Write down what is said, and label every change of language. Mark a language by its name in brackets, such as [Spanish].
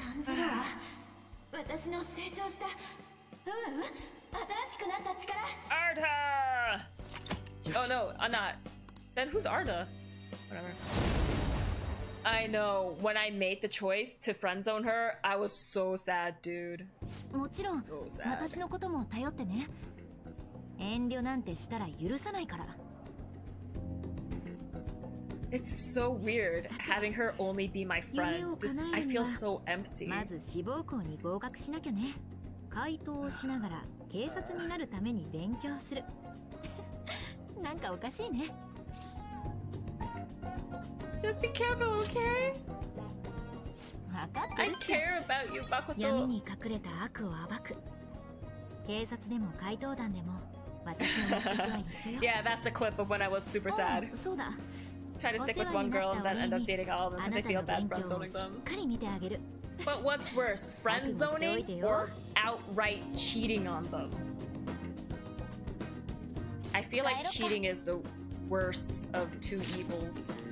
[English] Arda! Oh no, I'm not. Then who's Arda? Whatever. I know, when I made the choice to friendzone her, I was so sad, dude. [Japanese] もちろん、私のことも頼ってね。遠慮なんてしたら許さないから。 [English] It's so weird having her only be my friend. I feel so empty. [Japanese] まず志望校に合格しなきゃね。回答をしながら警察になるために勉強する。なんかおかしいね。 [English] Just be careful, okay? I care about you, Makoto. [Japanese] 闇に隠れた悪を暴く。警察でも怪盗団でも、私の目的は一緒よ。 [English] Yeah, that's the clip of when I was super sad. [Japanese] そうだ。 [English] Try to stick with one girl and then end up dating all of them because I feel bad friendzoning them. [Japanese] しっかり見てあげる。 [English] But what's worse, friendzoning or outright cheating on them? I feel like cheating is the worst of two evils.